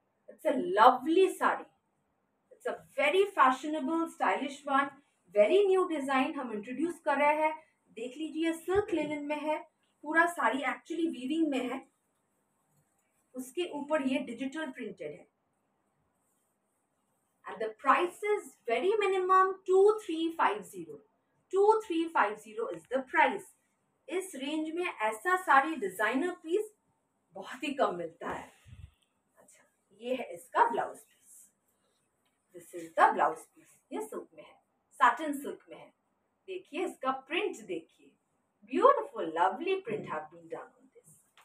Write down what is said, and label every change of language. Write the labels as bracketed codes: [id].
[en] it's a lovely sari, it's a very fashionable stylish one, very new design [hi] हम introduce कर रहे हैं। देख लीजिए, सिल्क लिनन में है पूरा साड़ी, एक्चुअली वीविंग में है, उसके ऊपर ये डिजिटल प्रिंटेड है। [en] And the price is very minimum 2350. 2350 is the price. [hi] इस रेंज में ऐसा साड़ी डिजाइनर पीस बहुत ही कम मिलता है। अच्छा, ये है इसका blouse piece, [en] this is the blouse piece, [hi] ये सिल्क में है, साटन सिल्क में है। देखिए इसका प्रिंट, देखिए [en] Beautiful lovely print have been done on this.